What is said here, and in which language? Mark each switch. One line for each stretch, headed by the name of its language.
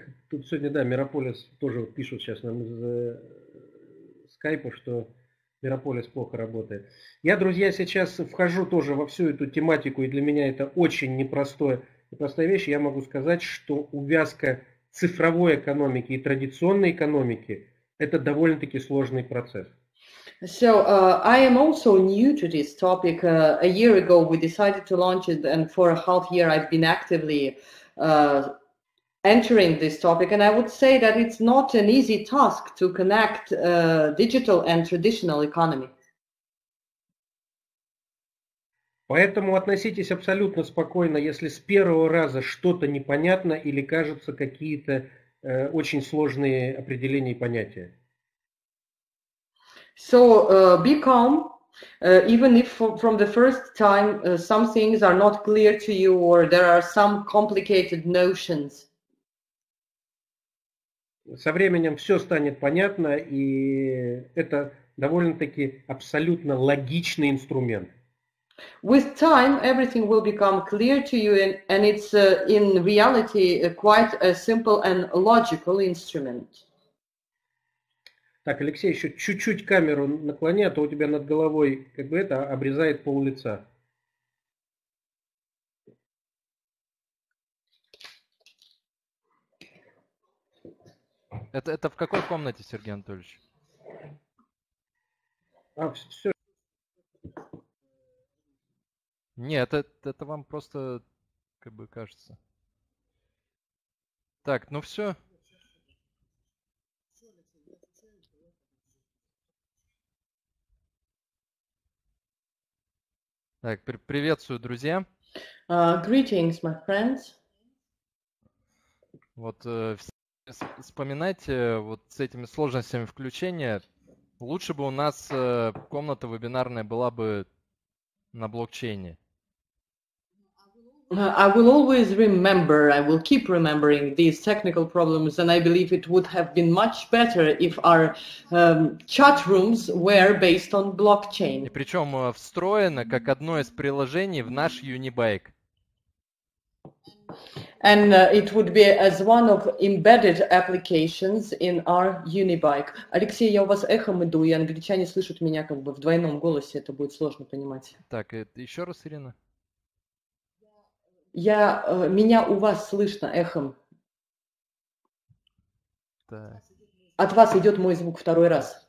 Russian: Тут сегодня, да, Мирополис тоже пишут сейчас нам из скайпа, что Мирополис плохо работает. Я, друзья, сейчас вхожу тоже во всю эту тематику, и для меня это очень непростая вещь. Я могу сказать, что увязка цифровой экономики и традиционной экономики – это довольно-таки сложный процесс.
English: So I am also new to this topic. A year ago we decided to launch it, and for a half year I've been actively entering this topic. And I would say that it's not an easy task to connect digital and traditional economy.
Russian: Поэтому относитесь абсолютно спокойно, если с первого раза что-то непонятно или кажутся какие-то очень сложные определения и понятия.
English: So be calm, even if from the first time some things are not clear to you or there are some complicated notions.
Russian: Со временем все станет понятно, и это довольно-таки абсолютно логичный инструмент.
English: With time everything will become clear to you, and it's in reality quite a simple and logical instrument.
Russian: Так, Алексей, еще чуть-чуть камеру наклони, а то у тебя над головой как бы это обрезает пол лица. Это в какой комнате, Сергей Анатольевич? А, все. Нет, это вам просто как бы кажется. Так, ну все. Так, приветствую, друзья.
English: Greetings, my friends.
Russian: Вот вспоминайте вот с этими сложностями включения. Лучше бы у нас комната вебинарная была бы на блокчейне.
English: I will always remember, I will keep remembering these technical problems, and I believe it would have been much better if our chat rooms were based on blockchain.
Russian: И причем встроено как одно из приложений в наш Unibike.
English: And it would be as one of embedded applications in our Unibike.
Russian: Алексей, я у вас эхом иду, и англичане слышат меня как бы в двойном голосе, это будет сложно понимать. Так, еще раз, Ирина. Я меня у вас слышно эхом. Так. От вас идет мой звук второй раз.